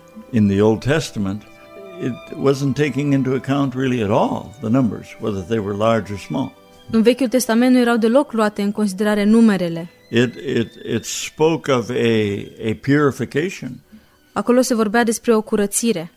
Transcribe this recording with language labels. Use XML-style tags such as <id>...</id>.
<en>In the Old Testament, it wasn't taking into account really at all the numbers, whether they were large or small.</en> <ro>În Vechiul Testament nu erau deloc luate în considerare numerele.</ro> <en>It spoke of a purification.</en> <ro>Acolo se vorbea despre o curățire.</ro>